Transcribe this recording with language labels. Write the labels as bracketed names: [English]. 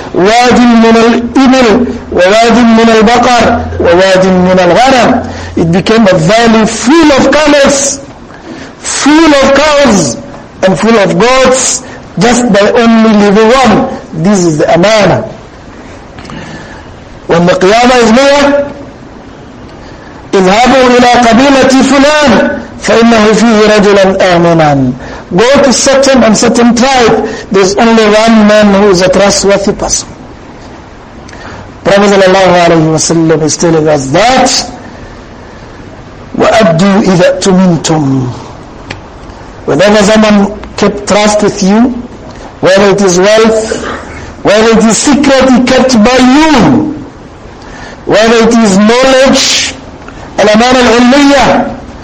[Arabic] Wadin min al-ibil, wa wadin min al-baqar, wa wadin min al-ghanam. [English] It became a valley full of camels, full of cows, and full of goats, just by only leaving one. This is the amana. When the qiyamah is near, [Arabic] اذهبوا إلى قبيلة فلان فإنه فيه رجلا آمنا. [English] Go to certain and certain tribe. There's only one man who is a trustworthy person. Prophet ﷺ is telling us that [Arabic] وَأَدُّوا إِذَا أُؤْتُمِنْتُمْ. [English] Whenever someone kept trust with you, whether it is wealth, whether it is secret he kept by you, whether it is knowledge, [Arabic] الأمانة العلمية.